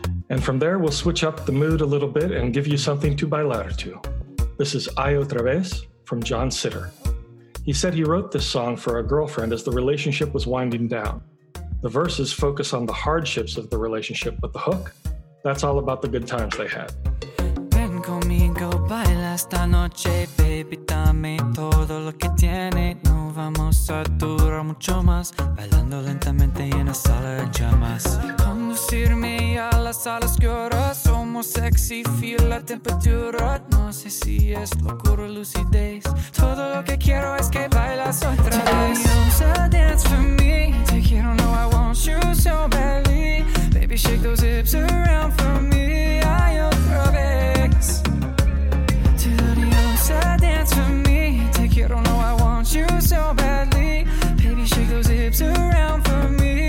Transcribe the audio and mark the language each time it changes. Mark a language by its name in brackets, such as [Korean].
[English] And from there, we'll switch up the mood a little bit and give you something to bailar to. This is Ay Otra Vez from John Sitter. He said he wrote this song for a girlfriend as the relationship was winding down. The verses focus on the hardships of the relationship, but the hook, that's all about the good times they had. [Spanish] Ven conmigo, baila esta noche, baby, dame todo lo que tiene. Vamos a durar mucho más bailando lentamente en la sala de llamas. Conducirme a la sala oscura. Somos [English] sexy, feel [Spanish] la temperatura. No sé si es locura o lucidez. Todo lo que quiero es que bailas otra vez. [English] Tell you to dance for me. [Spanish] Te quiero, no, [English] I want you so badly. Baby, shake those hips around for me. Ay, otra vez. Tell you to dance for me. [Spanish] Te quiero, no, [English] I want you so badly. Baby, shake those hips around for me.